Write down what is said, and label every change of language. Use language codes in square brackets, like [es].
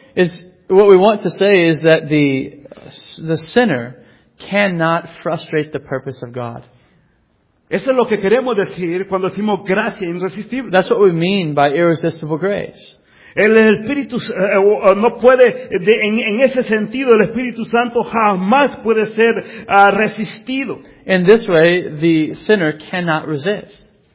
[en] Is what we want to say is that the sinner cannot frustrate the purpose of God. [es] Eso es lo que queremos decir cuando decimos gracia irresistible. [en] That's what we mean by irresistible grace. [es] El Espíritu no puede, en ese sentido, el Espíritu Santo jamás puede ser resistido. [en] In this way, the sinner cannot resist.